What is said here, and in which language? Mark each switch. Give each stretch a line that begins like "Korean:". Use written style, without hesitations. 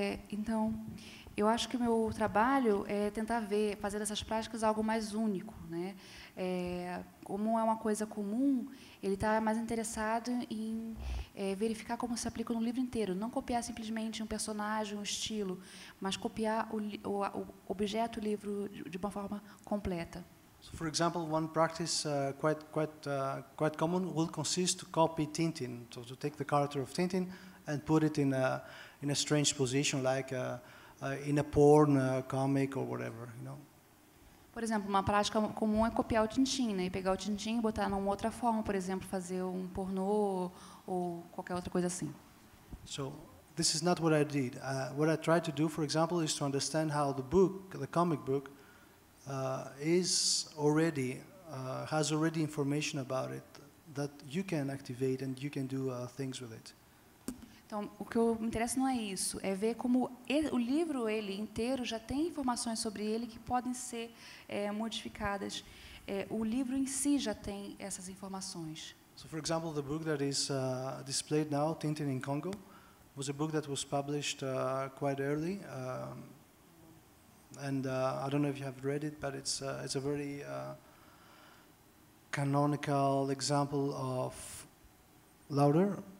Portuguese: Então, eu acho que o meu trabalho é tentar ver, fazer dessas práticas algo mais único, né? Como é uma coisa comum, ele está mais interessado em verificar como se aplica no livro inteiro, não copiar simplesmente um personagem, um estilo, mas copiar o objeto, o livro, de uma forma completa.
English: So for example, one practice quite common will consist to copy Tintin, so to take the character of Tintin and put it in a strange position, like in a porn comic or whatever, you know.
Portuguese: Por exemplo, uma prática comum é copiar o Tintin, né, e pegar o Tintin e botar numa outra forma, por exemplo, fazer um pornô ou qualquer outra coisa assim.
English: So this is not what I did. What I tried to do, for example, is to understand how the book, the comic book, has already information about it that you can activate and you can do things with it.
Portuguese: Então, o que eu me interessa não é isso, é ver como o livro ele inteiro já tem informações sobre ele que podem ser modificadas. O livro em si já tem essas informações.
English: So for example, the book that is displayed now, Tintin in Congo, was a book that was published quite early. And I don't know if you have read it, but it's a very canonical example of louder.